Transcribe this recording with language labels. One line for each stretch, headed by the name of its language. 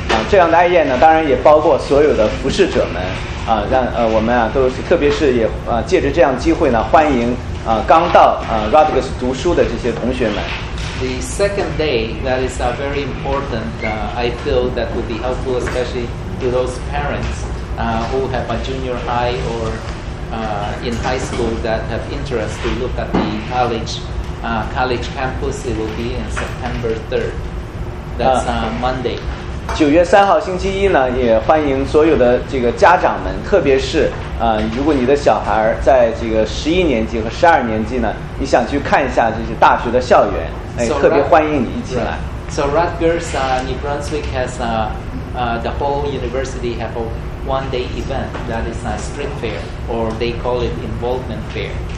Chinese: 这样的爱宴呢，当然也包括所有的服侍者们让我们都是特别是也借着这样机会呢欢迎。刚到Rutgers 读书的这些同学们。
English: The second day that is very important, I feel that would be helpful, especially to those parents who have a junior high or in high school that have interest to look at the college campus. It will be in September 3rd. That's Monday.
Chinese: 九月三号星期一呢，也欢迎所有的这个家长们，特别是。如果你的小孩在这个十一年级和十二年级呢，你想去看一下这些大学的校园，特别欢迎你一起来。
English: So Rutgers, New Brunswick has the whole university have a one-day event that is a street fair, or they call it involvement fair.